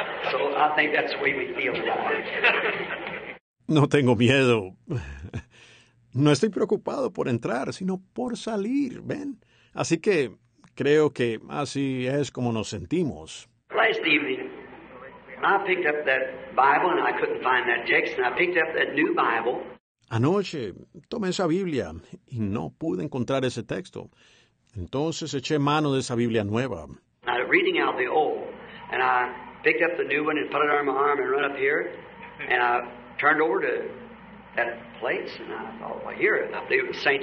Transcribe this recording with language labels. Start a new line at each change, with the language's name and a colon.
English: So I think that's the way we feel about it.
Spanish: No tengo miedo. No estoy preocupado por entrar, sino por salir, ¿ven? Así que creo que así es como nos sentimos.
English: Last evening, I picked up that Bible and I couldn't find that text, and I picked up that new Bible.
Spanish: Anoche, tomé esa Biblia y no pude encontrar ese texto. Entonces eché mano de esa Biblia nueva.
English: I'm reading out the old, and I picked up the new one and put it on my arm and run up here, and I turned over to that place, and I thought, well, here, I believe it was St.